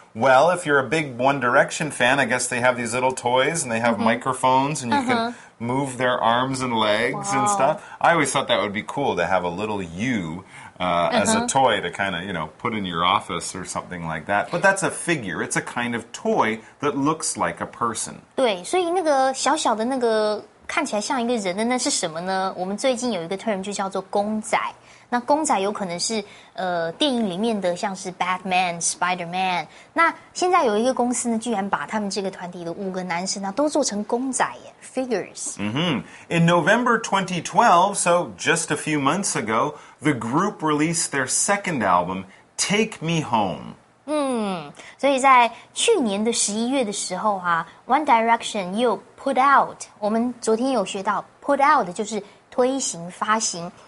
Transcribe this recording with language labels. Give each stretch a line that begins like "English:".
English: Well, if you're a big One Direction fan, I guess they have these little toys and they have, mm-hmm. microphones and you, uh-huh. can move their arms and legs, wow. and stuff. I always thought that would be cool to have a little you, uh-huh. as a toy to kind of, you know, put in your office or something like that. But that's a figure. It's a kind of toy that looks like a person.
Chinese: 对，所以那个小小的那个看起来像一个人的那是什么呢？我们最近有一个 term 就叫做公仔。那公仔有可能是电影里面的像是 Batman, Spider-Man。那现在有一个公司呢居然把他们这个团体的五个男生呢都做成公仔耶 ,figures. Mm-hmm.
English: In November 2012, so just a few months ago, the group released their second album, Take Me Home.
Chinese: 所以在去年的11月的时候啊 ,One Direction 又 put out, 我们昨天有学到 put out 就是推行发行。